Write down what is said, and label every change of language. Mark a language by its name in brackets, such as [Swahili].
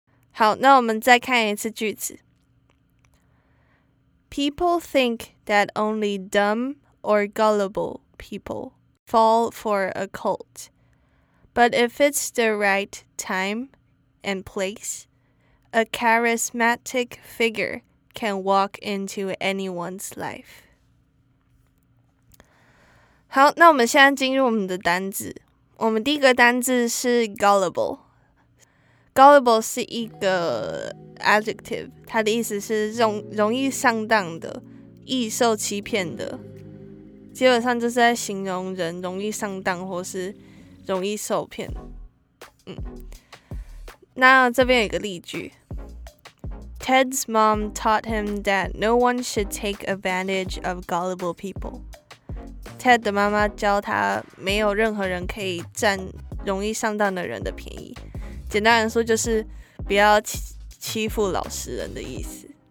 [Chinese] 好，那我们再看一次句子。 [English] People think that only dumb or gullible people fall for a cult. But if it's the right time and place, a charismatic figure can walk into anyone's life. [Chinese] 好，那我们现在进入我们的单字。我们第一个单字是 gullible， gullible 是一个 adjective， 它的意思是容易上当的、易受欺骗的，基本上就是在形容人容易上当或是容易受骗。那这边有一个例句 ， [English] Ted's mom taught him that no one should take advantage of gullible people。 [Chinese] Ted 的妈妈教他，没有任何人可以占容易上当的人的便宜。简单来说，就是不要欺负老实人的意思。